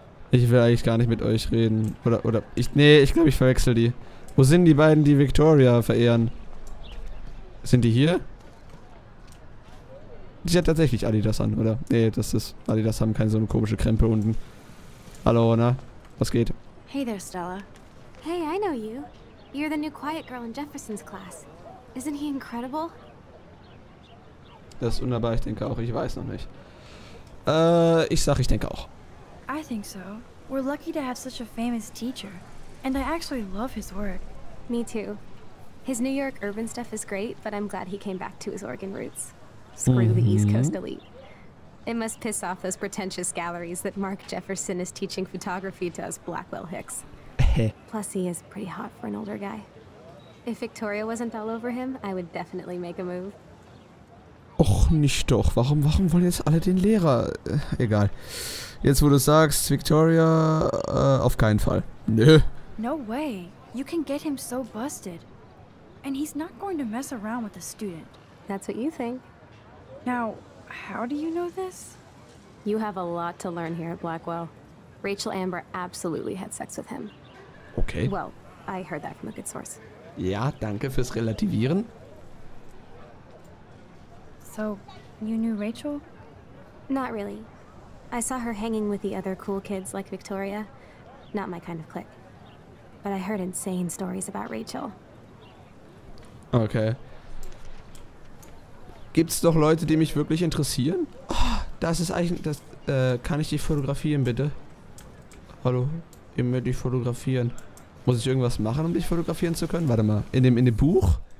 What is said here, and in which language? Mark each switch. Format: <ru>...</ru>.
<de>Ich will eigentlich gar nicht mit euch reden. Ich glaube, ich verwechsel die. Wo sind die beiden, die Victoria verehren? Sind die hier? Sie hat tatsächlich Adidas an, oder? Nee, das ist. Adidas haben keine so eine komische Krempe unten. Hallo, na? Was geht?</de> <en>Hey there, Stella. Hey, I know you. You're the new quiet girl in Jefferson's class. Isn't he incredible?</en> <de>Das ist wunderbar, ich denke auch. Ich weiß noch nicht. Ich denke auch.</de> <en>I think so. We're lucky to have such a famous teacher. And I actually love his work. Me too. His New York urban stuff is great, but I'm glad he came back to his Oregon roots. Screw the East Coast elite. It must piss off those pretentious galleries that Mark Jefferson is teaching photography to us Blackwell Hicks. Plus, he is pretty hot for an older guy. If Victoria wasn't all over him, I would definitely make a move.</en> <de>Och, nicht doch. Warum wollen jetzt alle den Lehrer? Egal. Jetzt, wo du sagst, Victoria, auf keinen Fall. Nö.</de> <en>No way. You can get him so busted. And he's not going to mess around with a student. That's what you think. Now, how do you know this? You have a lot to learn here at Blackwell. Rachel Amber absolutely had sex with him. Okay. Well, I heard that from a good source.</en> <de>Ja, danke fürs Relativieren.</de> <en>So, you knew Rachel? Not really. I saw her hanging with the other cool kids like Victoria. Not my kind of clique. But I heard insane stories about Rachel. Okay.</en> <de>Gibt's doch Leute, die mich wirklich interessieren? Oh, das ist eigentlich. Das, Kann ich dich fotografieren, bitte? Hallo? Ich möchte dich fotografieren. Muss ich irgendwas machen, um dich fotografieren zu können? Warte mal. In dem Buch?</de>